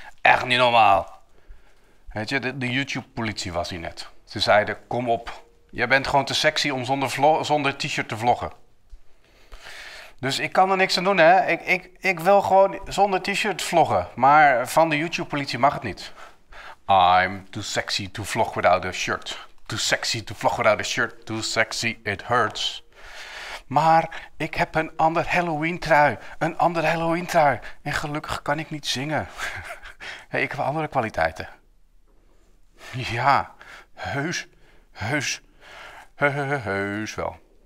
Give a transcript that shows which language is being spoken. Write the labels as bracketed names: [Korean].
[Dutch] Echt niet normaal. Weet je, de YouTube-politie was hier net. Ze zeiden, kom op, jij bent gewoon te sexy om zonder t-shirt te vloggen. Dus ik kan er niks aan doen, hè. Ik wil gewoon zonder t-shirt vloggen. Maar van de YouTube-politie mag het niet. [English] I'm too sexy to vlog without a shirt. Too sexy to vlog without a shirt. Too sexy, it hurts. [Dutch] Maar ik heb een ander Halloween trui. Een ander Halloween trui. En gelukkig kan ik niet zingen. Hey, ik heb andere kwaliteiten. Ja, heus. Heus. Heus wel.